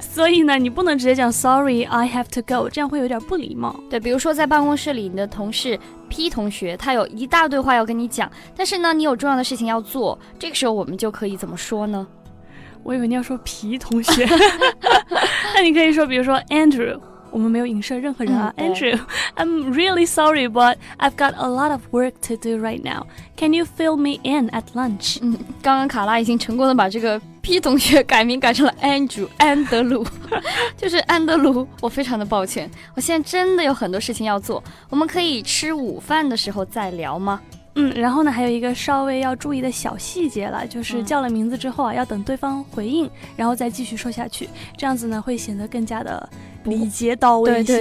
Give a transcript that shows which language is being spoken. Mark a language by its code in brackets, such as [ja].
[zh] 所以呢你不能直接讲 [en] sorry I have to go， [zh] 这样会有点不礼貌。对，比如说在办公室里，你的同事 P 同学他有一大堆话要跟你讲，但是呢你有重要的事情要做，这个时候我们就可以怎么说呢？我以为你要说皮同学。那你可以说比如说 Andrew，我们没有影射任何人啊。 [en] Andrew, I'm really sorry, but I've got a lot of work to do right now. Can you fill me in at lunch? [zh] 刚刚卡拉已经成功的把这个 P 同学改名改成了 Andrew, 安德鲁。就是安德鲁，我非常的抱歉，我现在真的有很多事情要做，我们可以吃午饭的时候再聊吗？然后呢还有一个稍微要注意的小细节了，就是叫了名字之后啊，要等对方回应然后再继续说下去，这样子呢会显得更加的礼节到位一些。